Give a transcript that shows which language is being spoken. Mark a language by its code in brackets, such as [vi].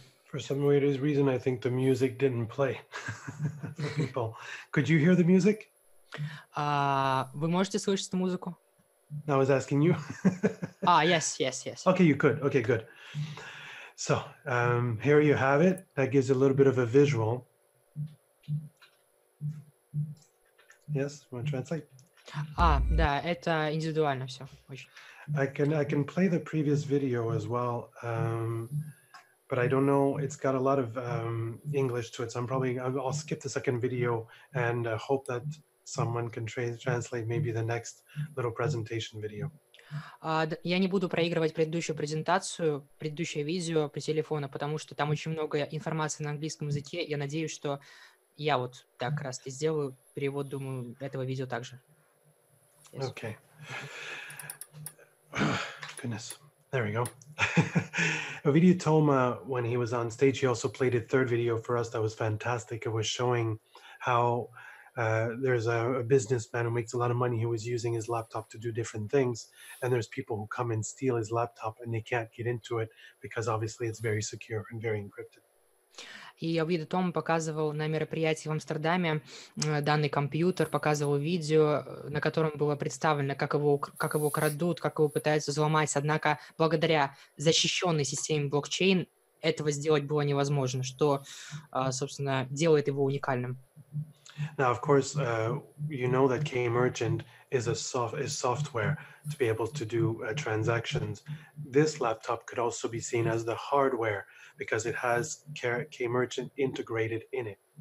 [en] For some weird reason, I think the music didn't play for people. Could you hear the music? [ru] Вы можете слышать музыку? [en] I was asking you. yes. Okay, you could. Okay, good. So, here you have it. That gives a little bit of a visual. Yes, want to translate? [ru] Да, это индивидуально все. [en] I can play the previous video as well. But I don't know, it's got a lot of English to it, so I'll skip the second video and hope that someone can translate maybe the next little presentation video. [ru] Я не буду проигрывать предыдущую презентацию, предыдущее видео по телефону, потому что там очень много информации на английском языке. Я надеюсь, что я вот так раз и сделаю перевод, думаю, этого видео также. [en] Yes. Okay. Goodness. There we go. Ovidiu Toma, when he was on stage, he also played a third video for us that was fantastic. It was showing how there's a businessman who makes a lot of money. He was using his laptop to do different things. And there's people who come and steal his laptop and they can't get into it because obviously it's very secure and very encrypted. [ru] И Ovidiu Toma показывал на мероприятии в Амстердаме данный компьютер, показывал видео, на котором было представлено, как его крадут, как его пытаются взломать. Однако, благодаря защищенной системе блокчейн, этого сделать было невозможно, что, собственно, делает его уникальным. [en] Now, of course, you know that KMerchant is software to be able to do transactions. This laptop could also be seen as the hardware because it has K-Merchant integrated in it.